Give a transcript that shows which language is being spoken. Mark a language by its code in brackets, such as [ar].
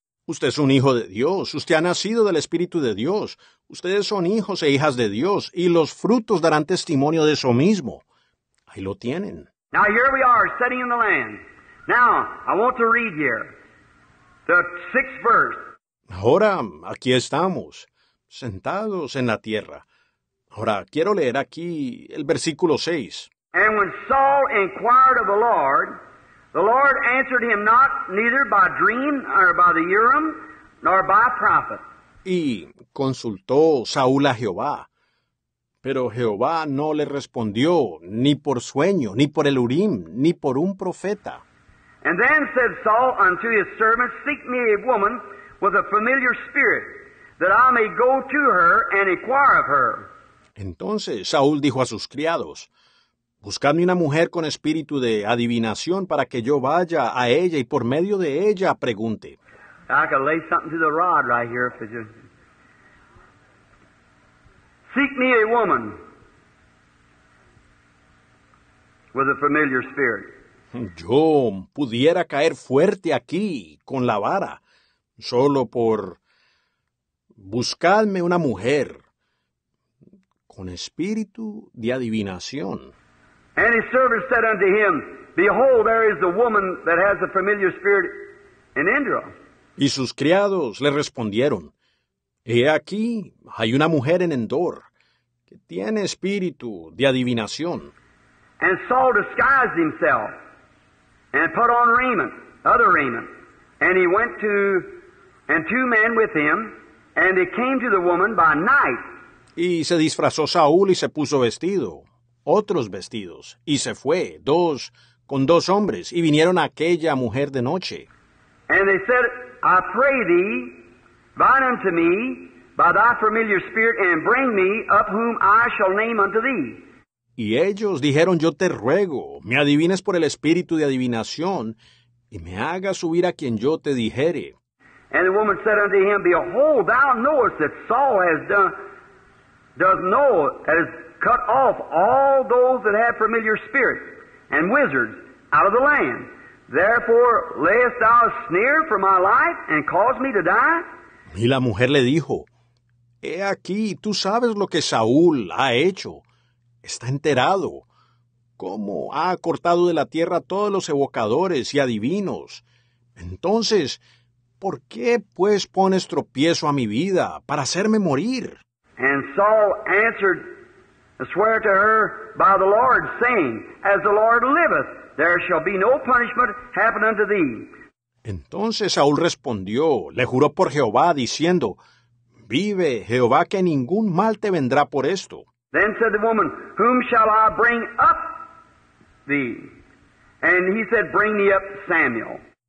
[es] Usted es un hijo de Dios. Usted ha nacido del Espíritu de Dios. Ustedes son hijos e hijas de Dios, y los frutos darán testimonio de eso mismo. Ahí lo tienen. [en] Now here we are, sitting in the land. Now, I want to read here the sixth verse. [es] Ahora, aquí estamos, sentados en la tierra. Ahora, quiero leer aquí el versículo 6. [en] And when Saul inquired of the Lord answered him not, neither by dream, nor by the Urim, nor by prophet. [es] Y consultó Saúl a Jehová. Pero Jehová no le respondió, ni por sueño, ni por el Urim, ni por un profeta. [en] And then said Saul unto his servants, seek me a woman with a familiar spirit, that I may go to her and inquire of her. [es] Entonces Saúl dijo a sus criados, buscadme una mujer con espíritu de adivinación para que yo vaya a ella y por medio de ella pregunte. [en] I could lay something to the rod right here for you. Seek me a woman with a familiar spirit. [es] Yo pudiera caer fuerte aquí con la vara solo por buscarme una mujer con espíritu de adivinación. [en] And his servant said unto him, behold, there is a woman that has a familiar spirit in Endor. [es] Y sus criados le respondieron, he aquí, hay una mujer en Endor que tiene espíritu de adivinación. [en] And Saul disguised himself and put on raiment, other raiment. And he went to, and two men with him, and they came to the woman by night. [es] Y se disfrazó Saúl y se puso vestido, otros vestidos, y se fue, dos, con dos hombres, y vinieron a aquella mujer de noche. [en] And they said, I pray thee, bind unto me by thy familiar spirit, and bring me up whom I shall name unto thee. [es] Y ellos dijeron, yo te ruego, me adivines por el espíritu de adivinación, y me haga subir a quien yo te dijere. [en] And the woman said unto him, behold, thou knowest that Saul has does know, that has cut off all those that have familiar spirits and wizards out of the land. Therefore, layest thou a snare for my life and cause me to die? [es] Y la mujer le dijo, he aquí, tú sabes lo que Saúl ha hecho. Está enterado. ¿Cómo ha cortado de la tierra todos los evocadores y adivinos? Entonces, ¿por qué, pues, pones tropiezo a mi vida para hacerme morir? [en] And Saul answered, I swear to her by the Lord, saying, as the Lord liveth, there shall be no punishment happen unto thee. [es] Entonces Saúl respondió, le juró por Jehová, diciendo, vive Jehová, que ningún mal te vendrá por esto. [en] Then said the woman, whom shall I bring up thee? And he said, bring me up Samuel.